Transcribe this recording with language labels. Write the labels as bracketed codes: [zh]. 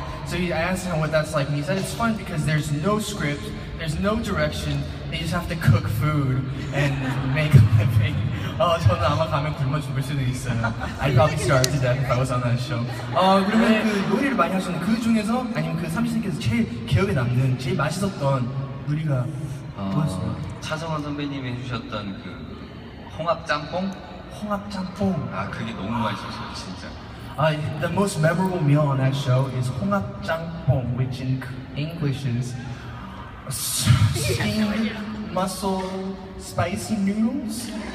[en] So I asked him what that's like and he said it's fun because there's no script, there's no direction, they just have to cook food and make a living. [ko] 저는 아마 가면 굶어 죽을 수도 있어요. [en] I'd probably starve to death if I was on that show. [ko] 그러면 그 요리를 많이 하셨는데 그 중에서 아니면 그 삼시세끼에서 제일 기억에 남는, 제일 맛있었던 요리가 뭐였습니까? 차성원 선배님이 해주셨던 그 홍합짬뽕? 홍합짬뽕! 아 그게 너무 맛있었어요 진짜. [en] The most memorable meal on that show is 홍합짬뽕, which in English is steamed mussel spicy noodles?